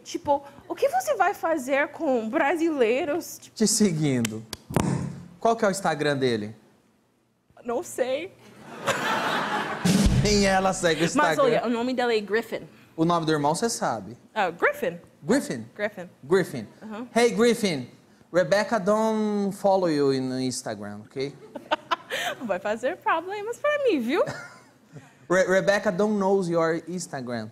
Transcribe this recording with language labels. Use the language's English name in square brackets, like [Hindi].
[Portuguese] Tipo, o que você vai fazer com brasileiros? Tipo... Te seguindo. Qual que é o Instagram dele? Não sei. Nem ela segue o Instagram. Mas olha, o nome dela é Griffin. O nome do irmão você sabe. Oh, Griffin. Griffin? Griffin. Griffin. Uh-huh. [English] Hey, Griffin. Rebecca, don't follow you in Instagram, okay? [Portuguese] Vai fazer problemas para mim, viu? [English] Rebecca, don't know your Instagram.